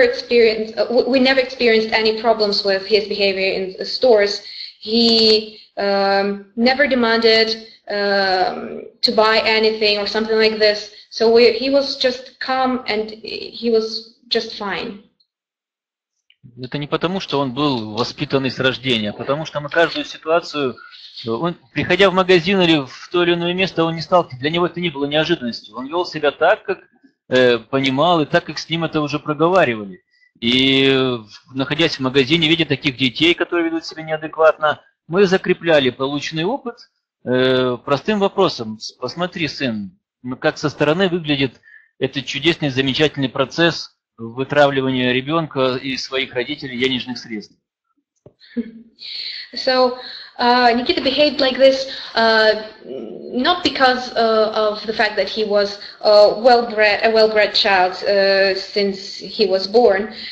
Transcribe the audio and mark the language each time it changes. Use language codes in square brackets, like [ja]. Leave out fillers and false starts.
[en] We never experienced any problems with his behavior in the stores. He never demanded to buy anything or something like this. So he was just calm and he was just fine. [ru] Это не потому, что он был воспитанный с рождения, а потому что на каждую ситуацию, он, приходя в магазин или в то или иное место, он не стал, для него это не было неожиданностью. Он вел себя так, как понимал, и так, как с ним это уже проговаривали. И находясь в магазине, видя таких детей, которые ведут себя неадекватно, мы закрепляли полученный опыт простым вопросом. Посмотри, сын, как со стороны выглядит этот чудесный, замечательный процесс вытравливания ребенка из своих родителей денежных средств. [en] So, Nikita behaved like this not because of the fact that he was a well-bred child since he was born.